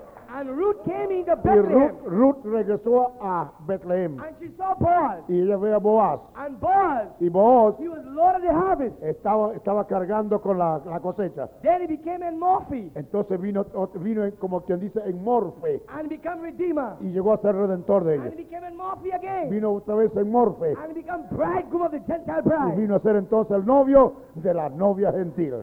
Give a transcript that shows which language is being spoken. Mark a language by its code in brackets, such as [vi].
[en] And Ruth came into Bethlehem. [es] Y Ruth regresó a Bethlehem. [en] And she saw Boaz. [es] Y ella ve a Boaz. [en] And Boaz. [es] Y Boaz. [en] He was Lord of the harvest. [es] Estaba cargando con la cosecha. [en] Then he became a morphe. [es] Entonces vino como quien dice en morphe. [en] And became redeemer. [es] Y llegó a ser redentor de ella. [en] And he became a morphe again. [es] Vino otra vez en morphe. [en] And he became bridegroom of the Gentile bride. [es] Y vino a ser entonces el novio de la novia gentil.